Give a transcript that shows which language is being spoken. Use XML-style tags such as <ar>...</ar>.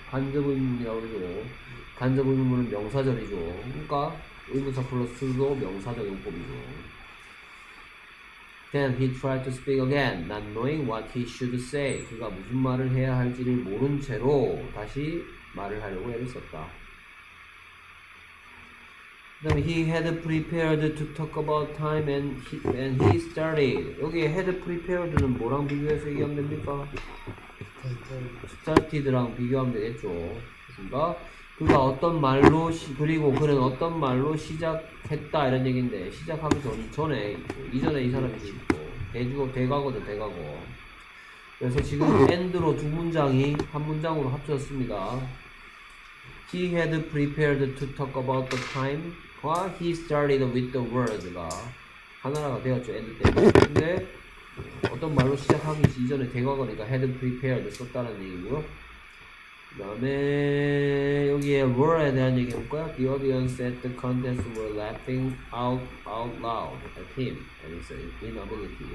<ko>간접의문이라고 그러죠. 간접의문은 명사절이죠. 그러니까 의문사 플러스도 명사절 용법이죠.</ko> <en>Then he tried to speak again, not knowing what he should say.</en> <ko>그가 무슨 말을 해야 할지를 모른 채로 다시 말을 하려고 애를 썼다.</ko> <en>Then he had prepared to talk about time and he started.</en> <ko>여기 had prepared는 뭐랑 비교해서 얘기하면 됩니까? started랑 비교하면 되겠죠. 그니까, 그가 어떤 말로, 그리고 그는 어떤 말로 시작했다. 이런 얘기인데, 시작하기 전에, 이전에 이 사람이 있고, 대과거죠, 대과거. 그래서 지금 end로 두 문장이 한 문장으로 합쳐졌습니다.</ko> <en>He had prepared to talk about the time. He started with the words가</en> <ko>하나라가 되었죠. 근데 어떤 말로 시작하기 이전에 대과거니까 had prepared 썼다는 얘기고요. 그 다음에 여기에 were에 대한 얘기 해볼까요?</ko> <en>The audience at the contest were laughing out loud at him and his inability.</en>